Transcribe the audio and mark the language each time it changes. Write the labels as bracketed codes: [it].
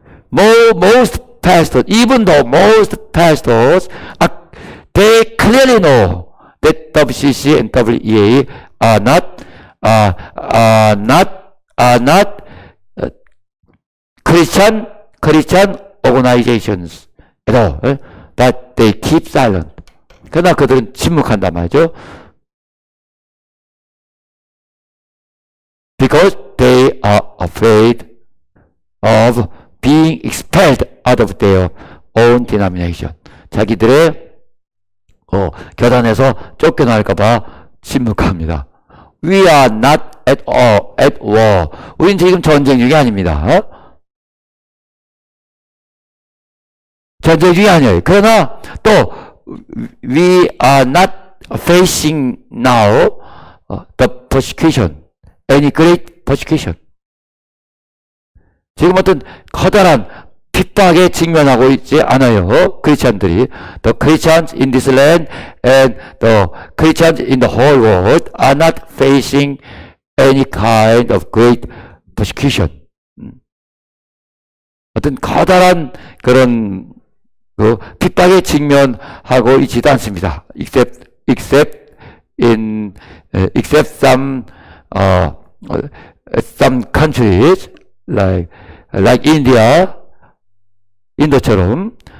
[en] Most pastors, even though most pastors, they clearly know that WCC and WEA are not Christian organizations at all. But they keep silent. [ko] 그러나 그들은 침묵한단 말이죠. [en] Because they are afraid of being expelled out of their own denomination. [ko] 자기들의 교단에서 쫓겨날까봐 침묵합니다. [en] We are not at war. [ko] 우린 지금 전쟁 중이 아닙니다. 전쟁 중이 아니에요. 그러나 또 [en] We are not facing now the persecution. Any great persecution. [ko] 지금 어떤 커다란 핍박에 직면하고 있지 않아요. 크리스천들이. [en] The Christians in this land and the Christians in the whole world are not facing any kind of great persecution. [ko] 어떤 커다란 그런 그 핍박에 직면하고 있지도 않습니다. [en] Except some countries like India, [ko] 인도처럼.